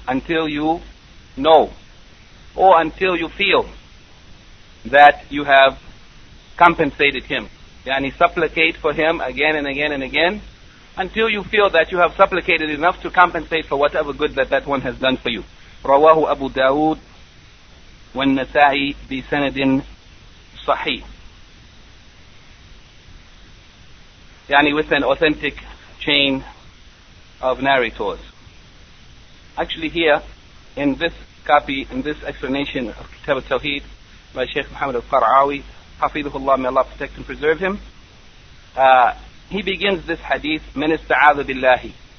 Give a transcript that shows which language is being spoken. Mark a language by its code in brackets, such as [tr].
[en] Until you know, or until you feel that you have compensated him. يعني supplicate for him again and again and again, until you feel that you have supplicated enough to compensate for whatever good that that one has done for you. [ar] رواه أبو داود والنسائي بسند صحيح. [en] Yani with an authentic chain of narrators. Actually here, in this copy, in this explanation of Kitab al-Tawheed by Shaykh Muhammad al-Qarawi, Hafidhullah, may Allah protect and preserve him, he begins this hadith, [ar] من استعاذ بالله.